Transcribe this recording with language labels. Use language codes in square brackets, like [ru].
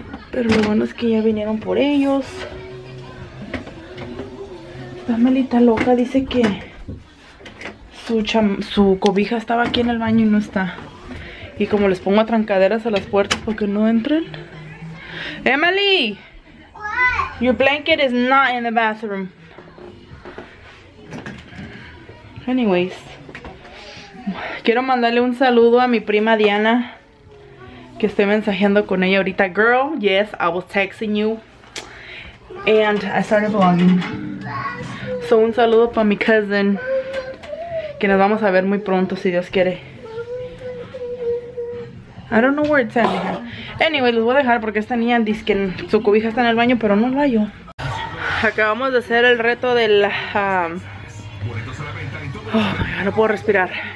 [es] Pero lo bueno es que ya vinieron por ellos. La malita loca dice que su cobija estaba aquí en el baño y no está. Y como les pongo a trancaderas a las puertas para que no entren. [en] Emily, your blanket is not in the bathroom. [es] Anyways, quiero mandarle un saludo a mi prima Diana, que estoy mensajeando con ella ahorita. [en] Girl, yes, I was texting you and I started vlogging. [es] So un saludo para mi cousin, que nos vamos a ver muy pronto si Dios quiere. [en] I don't know where it's at. Anyway, [es] los voy a dejar porque esta niña dice que su cobija está en el baño, pero no lo hallo. Acabamos de hacer el reto del oh, no puedo respirar.